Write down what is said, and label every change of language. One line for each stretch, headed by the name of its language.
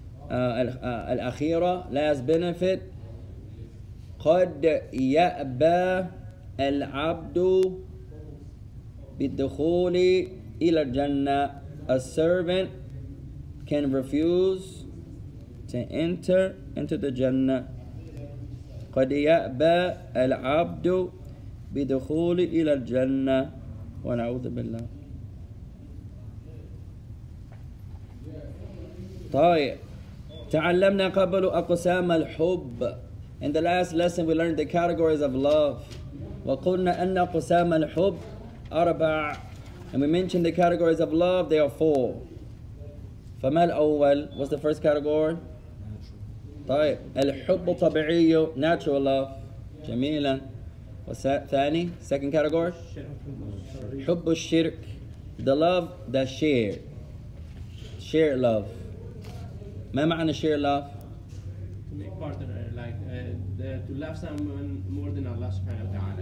Arabic: الأخيرة,
English: last benefit,
Arabic: قد يأبى العبد بالدخول إلى الجنة.
English: A servant can refuse to enter into the Jannah.
Arabic: قد يأبى العبد بالدخول إلى الجنة. ونعوذ بالله. طيب, تعلمنا قبل أقسام الحب.
English: In the last lesson, we learned the categories of love.
Arabic: وقلنا أن أقسام الحب أربع.
English: And we mentioned the categories of love, they are four.
Arabic: فما الأول?
English: What's the first category?
Arabic: طيب, الحب طبيعي,
English: natural love. جميلا. What's that? ثاني, second category?
Arabic: حب الشرك,
English: the love that shared. Shared love.
Arabic: ما معنى
English: share love? To make partner, like to love someone more than Allah subhanahu